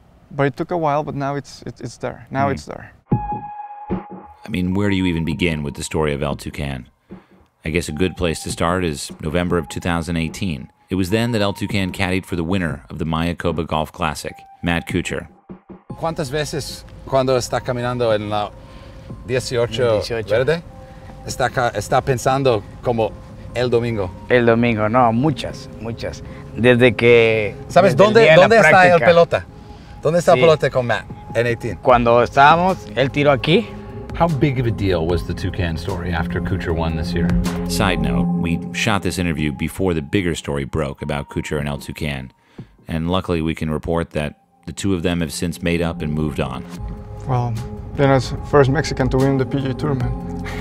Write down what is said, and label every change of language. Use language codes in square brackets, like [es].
[en] But it took a while, but now it's there. Now it's there. I mean, where do you even begin with the story of El Tucán? I guess a good place to start is November of 2018. It was then that El Tucán caddied for the winner of the Maykoba Golf Classic, Matt Kuchar. [es] ¿Cuántas veces cuando está caminando en la 18 verde está pensando como el domingo? El domingo, no, muchas, muchas. Desde que... ¿Sabes dónde está el pelota? ¿Dónde está el pelota con Matt? [en] And 18. [es] Cuando estábamos, él tiró aquí. [en] How big of a deal was the Tucán story after Kuchar won this year? Side note, we shot this interview before the bigger story broke about Kuchar and El Tucán. And luckily we can report that the two of them have since made up and moved on. Well, you know, it's the first Mexican to win the PGA Tour, man.